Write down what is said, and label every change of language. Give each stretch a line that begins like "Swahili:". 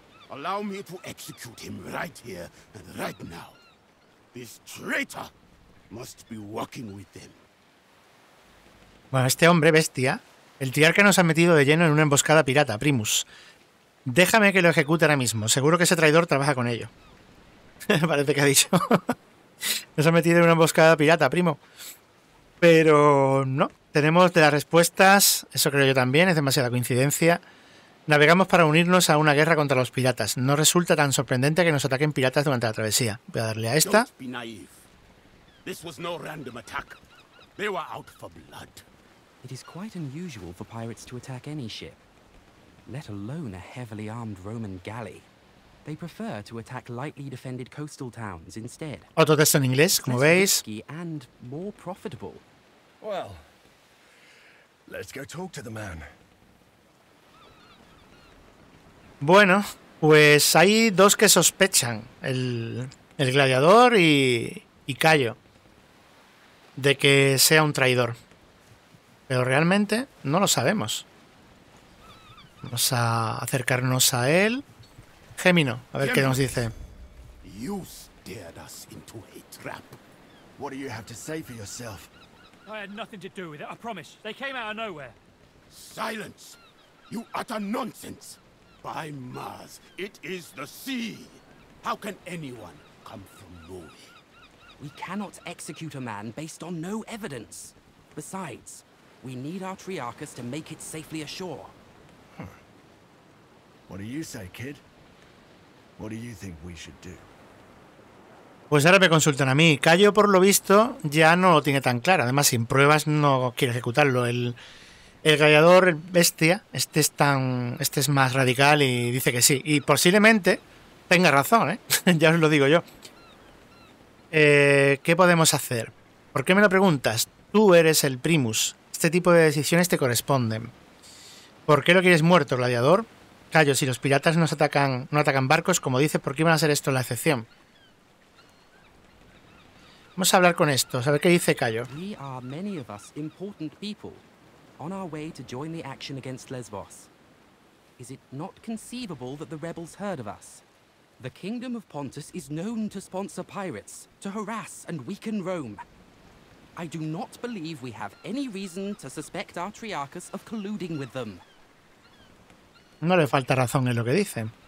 English: Allow me to execute him right here and right now. This traitor must be working with them.
Spanish: Bueno, este hombre bestia. El Triarca nos ha metido de lleno en una emboscada pirata, Primus. Déjame que lo ejecute ahora mismo. Seguro que ese traidor trabaja con ello. Parece que ha dicho. Nos ha metido en una emboscada pirata, primo. Pero no. Tenemos de las respuestas. Eso creo yo también. Es demasiada coincidencia. Navegamos para unirnos a una guerra contra los piratas. No resulta tan sorprendente que nos ataquen piratas durante la travesía. Voy a darle a esta. No seas naive.
English: This was no random attack. They were out for blood. It is quite unusual for pirates to attack any ship, let alone a heavily armed Roman galley. They prefer to attack lightly defended coastal towns instead.
Spanish: Otro texto en inglés, como veis.
English: And more profitable. Well, let's go talk to the man.
Spanish: Bueno, pues hay dos que sospechan, el gladiador y Cayo, de que sea un traidor. Pero realmente no lo sabemos. Vamos a acercarnos a él. Gémino, a ver qué nos dice.
English: You steered us into a trap. What do you have to say for yourself? I had nothing to do with it, I promise. They came out of nowhere. Silence! You utter nonsense! By Mars, it is the sea! How can anyone come from Norway? We cannot execute a man based on no evidence. Besides, we need our Triarchus to make it safely ashore. What do you say, kid? What do you think we should do?
Spanish: Pues ahora me consultan a mí. Cayo, por lo visto, ya no lo tiene tan claro. Además, sin pruebas no quiere ejecutarlo. El gladiador, el bestia, este es más radical y dice que sí. Y posiblemente tenga razón, ¿eh? Ya os lo digo yo. ¿Qué podemos hacer? ¿Por qué me lo preguntas? Tú eres el Primus. Este tipo de decisiones te corresponden. ¿Por qué lo quieres muerto, gladiador? Cayo, si los piratas no atacan barcos, como dices, ¿por qué iban a ser esto la excepción? Vamos a hablar con esto, a ver qué dice Cayo.
English: We are many of us important people on our way to join the action against Lesbos. Is it not conceivable that the rebels heard of us? The kingdom of Pontus is known to sponsor pirates, to harass and weaken Rome. I do not believe we have any reason to suspect our Triarchus of colluding with them.
Spanish: No le falta razón en lo que dice.